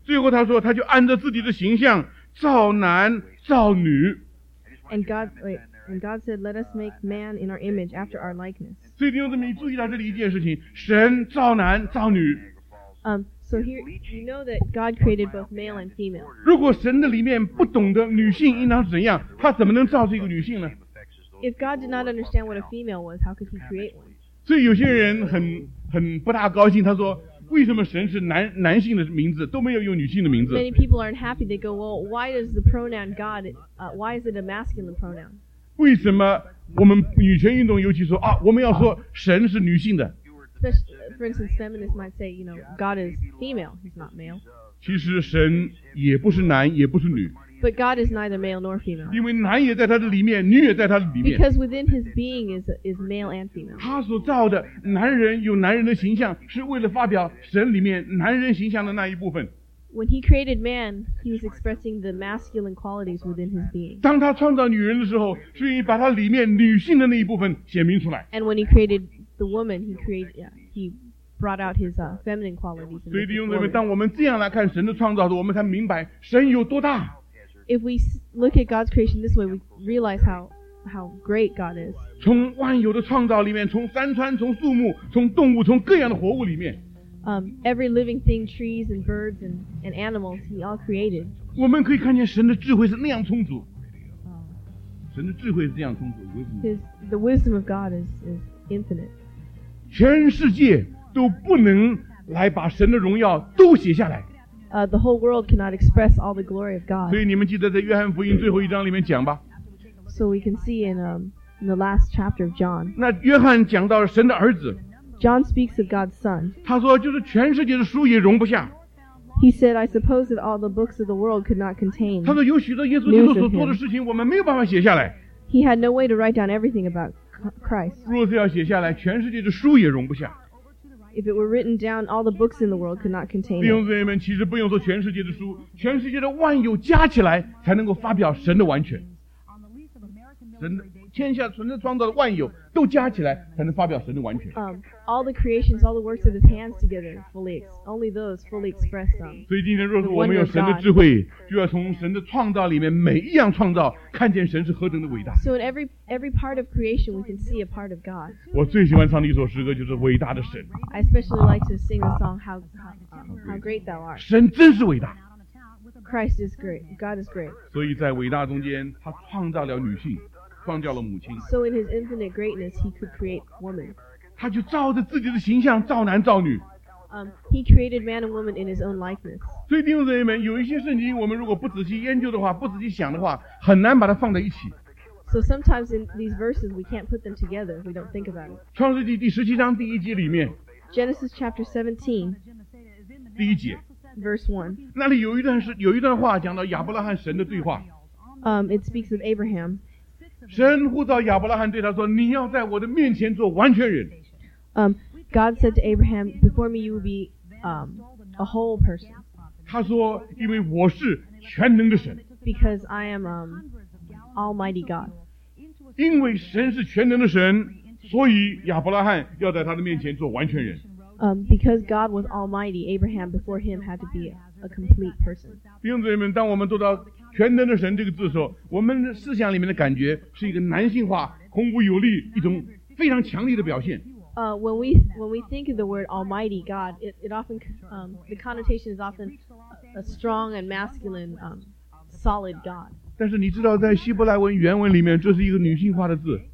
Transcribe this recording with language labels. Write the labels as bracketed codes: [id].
[zh] 最后他说，他就按照自己的形象造男造女。 [en] And God said, "Let us make man in our image, after our likeness." [zh] 所以弟兄姊妹，注意到这里一件事情：神造男造女。 [en] So here you know that God created both male and female. [zh] 如果神的里面不懂得女性应当怎样，他怎么能造出一个女性呢？ [en] If God did not understand what a female was, how could he create one? [zh] 所以有些人很不大高兴，他说为什么神是男性的名字，都没有用女性的名字。 [en] Many people aren't happy. They go, well, why does the pronoun God, why is it a masculine pronoun? [zh] 为什么我们女权运动尤其说啊，我们要说神是女性的。 [en] For instance, feminists might say, you know, God is female, he's not male. [zh] 其实神也不是男，也不是女。 [en] But God is neither male nor female. [zh] 因为男也在他的里面，女也在他的里面。 [en] Because within his being is male and female. [zh] 他所造的男人有男人的形象，是为了发表神里面男人形象的那一部分。 [en] When he created man, he was expressing the masculine qualities within his being. [zh] 当他创造女人的时候，是以把他里面女性的那一部分显明出来。 [en] And when he created the woman, he brought out his feminine qualities. [zh] 所以弟兄姊妹，当我们这样来看神的创造的，我们才明白神有多大。 [en] If we look at God's creation this way, we realize how great God is. [zh] 从万有的创造里面，从山川，从树木，从动物，从各样的活物里面。 [en] Every living thing, trees and birds and animals, He all created. [zh] 我们可以看见神的智慧是那样充足。神的智慧是这样充足。 [en] The wisdom of God is infinite. [zh] 全世界都不能来把神的荣耀都写下来。 [en] The whole world cannot express all the glory of God. [zh] 所以你们记得在约翰福音最后一章里面讲吧。 [en] So we can see in the last chapter of John. [zh] 那约翰讲到神的儿子。 [en] John speaks of God's Son. [zh] 他说就是全世界的书也容不下。 [en] He said, I suppose that all the books of the world could not contain news of him. [zh] 他说有许多耶稣基督所做的事情我们没有办法写下来。 [en] He had no way to write down everything about Christ. [zh] 若是要写下来全世界的书也容不下。 [en] If it were written down, all the books in the world could not contain it. [zh] 弟兄姊妹们，其实不用说全世界的书，全世界的万有加起来才能够发表神的完全。神的天下存着创造的万有都加起来才能发表神的完全。 [en] All the creations, all the works of his hands together, only those fully express them. [zh] 所以今天若是我们有神的智慧，就要从神的创造里面每一样创造看见神是何等的伟大。 [en] So in every part of creation, we can see a part of God. [zh] 我最喜欢唱的一首诗歌就是伟大的神。 [en] I especially like to sing the song how great thou art. [zh] 神真是伟大。 [en] Christ is great. God is great. [zh] 所以在伟大中间，他创造了女性。创造了母亲。 [en] So in his infinite greatness, he could create woman. [zh] 他就照着自己的形象造男造女。 [en] He created man and woman in his own likeness. [zh] 所以弟兄姊妹们，有一些圣经我们如果不仔细研究的话，不仔细想的话，很难把它放在一起。 [en] So sometimes in these verses, we can't put them together if we don't think about it. [zh] 创世纪第十七章第一节里面。 [en] Genesis chapter 17. [zh] 第一节。 [en] Verse 1. [zh] 那里有一段话讲到亚伯拉罕神的对话。 [en] It speaks of Abraham. [zh] 神呼召亚伯拉罕对他说你要在我的面前做完全人。 [en] God said to Abraham, before me you will be a whole person. [zh] 他说因为我是全能的神。 [en] Because I am almighty God. [zh] 因为神是全能的神所以亚伯拉罕要在他的面前做完全人。 [en] Because God was almighty, Abraham before him had to be a complete person. [zh] 弟兄姊妹们当我们做到全能的神这个字的时候我们思想里面的感觉是一个男性化孔武有力一种非常强力的表现。 [en] When we think of the word almighty God, the connotation is often a strong and masculine, solid God. [zh] 但是你知道在希伯来文原文里面这是一个女性化的字。